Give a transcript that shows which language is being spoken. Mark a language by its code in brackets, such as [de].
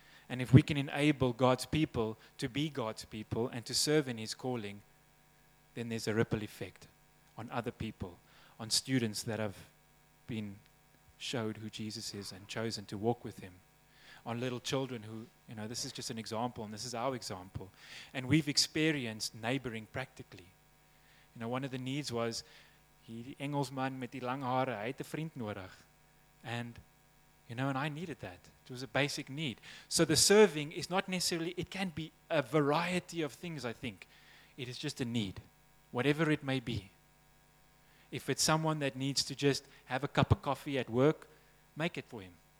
[en] And if we can enable God's people to be God's people and to serve in His calling, then there's a ripple effect on other people, on students that have been showed who Jesus is and chosen to walk with Him, on little children who, you know, this is just an example, and this is our example. And we've experienced neighboring practically. You know, one of the needs was, [af] die Engelsman met die lange hare, hy het 'n vriend nodig. [en] And, you know, and I needed that. It was a basic need. So the serving is not necessarily, it can be a variety of things, I think. It is just a need, whatever it may be. If it's someone that needs to just have a cup of coffee at work, make it for him.